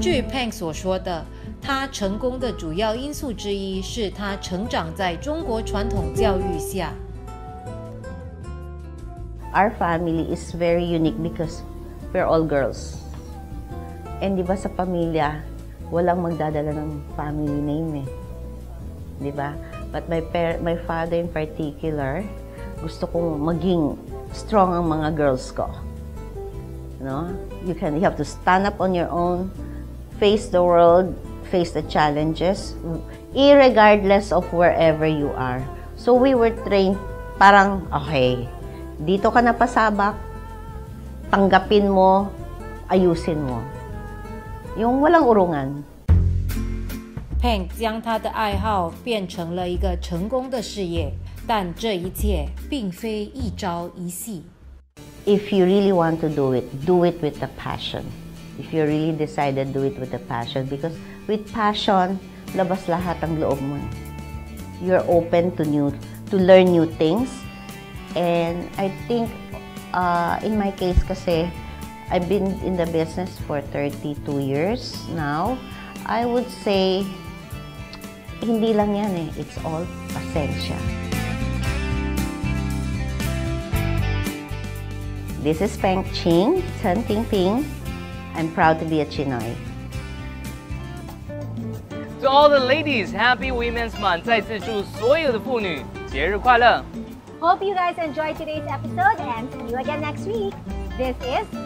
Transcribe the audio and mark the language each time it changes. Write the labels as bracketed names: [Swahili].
[Chinese] Peng所说的， 他成功的主要因素之一是他成长在中国传统教育下。 [English] Our family is very unique because we're all girls. [Filipino] And diba sa pamilya, walang magdadala ng [English] family name [Filipino] eh. Diba? [English] But my father in particular, [Filipino] gusto kong maging [English] strong [Filipino] ang mga [English] girls ko. No? You have to stand up on your own, face the world, face the challenges, irregardless of wherever you are. So we were trained, [Filipino] parang, okay, dito ka napasabak, tanggapin mo, ayusin mo. yung walang urungan. [Chinese] Peng 将他的爱好变成了一个成功的事业, 但这一切并非一朝一夕. [English] If you really want to do it with a passion. If you really decided, do it with a passion. Because with passion, [Filipino] labas lahat ang loob mo. [English] You're open to new, to learn new things. And I think, in my case kasi, I've been in the business for 32 years now. I would say, [Filipino] hindi lang yan eh. [English] It's all pasensya. This is Peng Ching, Chen Ting Ping. I'm proud to be a Chinoy. To all the ladies, Happy Women's Month. [Chinese] 再次祝所有的妇女节日快乐. [English] Hope you guys enjoyed today's episode and see you again next week. This is